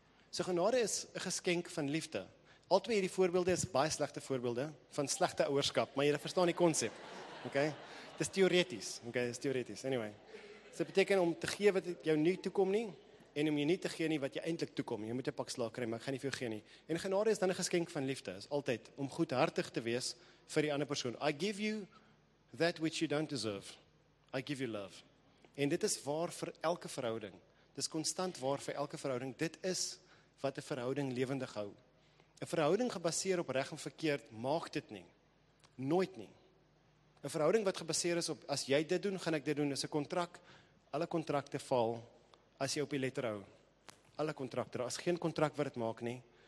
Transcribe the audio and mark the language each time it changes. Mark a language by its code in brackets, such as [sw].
[af] So genade is 'n geskenk van liefde. Al twee hierdie voorbeelde is baie slegte voorbeelde van slegte ouerskap, maar jy verstaan die konsep. Okay? Dit is teoreties. Okay, dit is teoreties. Anyway. So dit beteken om te gee wat jou nie toekom nie, en om jy nie te gee nie wat jy eintlik toekom. Jy moet 'n pak slaag kry, maar ek gaan nie vir jou gee nie. En genade is dan 'n geskenk van liefde. Is altyd om goedhartig te wees vir die ander persoon. [en] I give you that which you don't deserve. I give you love. [af] En dit is waar vir elke verhouding. Dis konstant waar vir elke verhouding. Dit is wat 'n verhouding lewendig hou. 'N Verhouding gebaseer op reg en verkeerd maak dit nie. Nooit nie. 'N Verhouding wat gebaseer is op, as jy dit doen, gaan ek dit doen, is 'n kontrak. Alle kontrakte val as jy op die letter hou. Alle kontrakte, as geen kontrak wat dit maak nie.